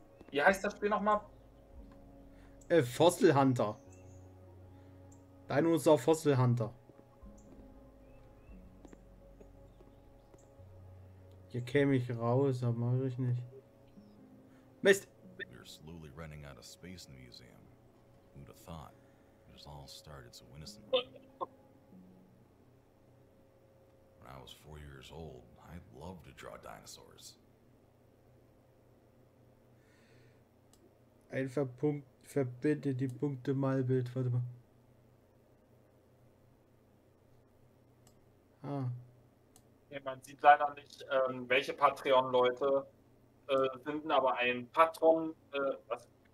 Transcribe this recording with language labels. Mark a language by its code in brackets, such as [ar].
[de] Wie heißt das Spiel nochmal? [en] Fossil Hunter. Dinosaur Fossil Hunter. [de] Hier käme ich raus, aber mache ich nicht. Mist! [en] You're slowly running out of space in the museum. Who'd have thought? It was all started so innocently. When I was 4 years old, I loved to draw dinosaurs. [de] Ein Verpunkt verbindet die Punkte mal Bild. Warte mal. Ah. Ja, man sieht leider nicht, welche Patreon-Leute finden, aber ein Patron. Was?